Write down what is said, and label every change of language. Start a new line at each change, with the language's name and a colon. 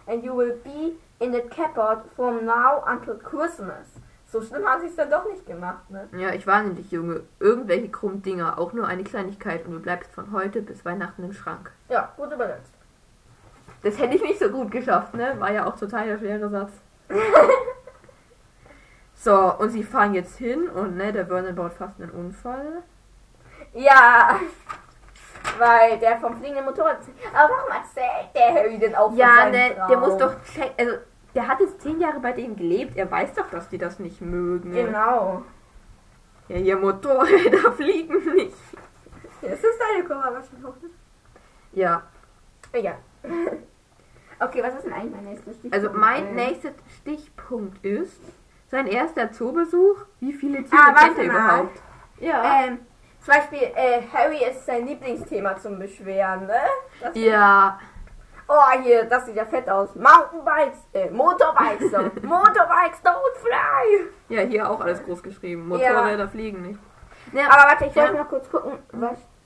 English: And you will be in the cupboard from now until Christmas.
German: So schlimm haben sie es dann doch nicht gemacht, ne? Ja, ich warne dich, Junge. Irgendwelche krummen Dinger, auch nur eine Kleinigkeit und du bleibst von heute bis Weihnachten im Schrank. Ja, gut übersetzt. Das hätte ich nicht so gut geschafft, ne? War ja auch total der schwere Satz. So, und sie fahren jetzt hin und, ne, der Vernon baut fast einen Unfall. Ja, weil der vom fliegenden Motorrad... Aber warum erzählt der Harry denn auch ja, von seinem Traum? Ja, ne, der muss doch checken... Also, der hat jetzt 10 Jahre bei denen gelebt. Er weiß doch, dass die das nicht mögen. Genau. Ja, ihr Motorräder fliegen nicht. Das ist deine Kommandantin. Ja. Ja. Okay, was ist denn eigentlich mein nächster Stichpunkt? Also mein nächster Stichpunkt ist, sein erster Zoobesuch. Wie viele Tiere kennt er überhaupt? Ja. Zum Beispiel, Harry ist sein Lieblingsthema zum Beschweren, ne? Das ja. Oh, hier, das sieht ja fett aus.
English: Mountainbikes, Motorbikes, Motorbikes, don't fly.
German: Ja, hier auch alles groß geschrieben. Motorräder ja. Fliegen nicht. Ja, aber warte, ich wollte noch kurz gucken, was...